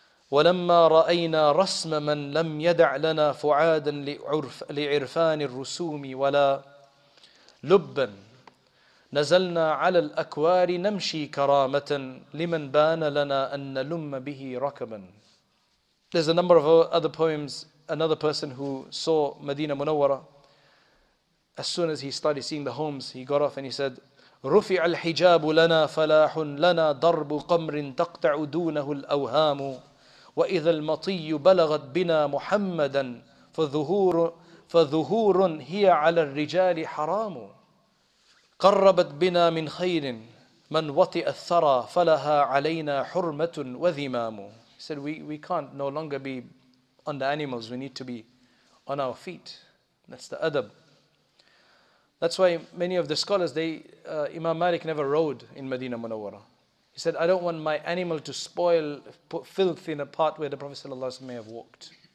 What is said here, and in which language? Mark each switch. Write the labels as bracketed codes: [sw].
[ar] وَلَمَّا رَأَيْنَا رَسْمَ مَنْ لَمْ يَدَعْ لَنَا فُعَادًا لِعِرْفَانِ الرُّسُومِ وَلَا لُبًّا نَزَلْنَا عَلَى الْأَكْوَارِ نَمْشِي كَرَامَةً لِمَنْ بَانَ لَنَا أَنَّ لُمَّ بِهِ رَكَبًا. [en] There's a number of other poems. Another person who saw Madina Munawwara, as soon as he started seeing the homes, he got off and he said, [ar] رُفِعَ الْحِجَابُ لَنَا فَلَاحٌ لَنَا ضَرْبُ قَمْرٍ تَقْطَعُ دُونَهُ الْأَوْهَامُ وَإِذَا الْمَطِيُّ بَلَغَتْ بِنَا مُحَمَّدًا فَظُهُورٌ هِيَ عَلَى الرِّجَالِ حَرَامُ قَرَّبَتْ بِنَا مِنْ خَيْرٍ مَنْ وَطِئَ الثَّرَى فَلَهَا عَلَيْنَا حُرْمَةٌ وَذِمَامُ. [en] He said, we can't no longer be on the animals, we need to be on our feet. That's the adab. That's why many of the scholars, Imam Malik never rode in Madina Munawwara. He said, I don't want my animal to spoil, put filth in a part where the Prophet ﷺ may have walked.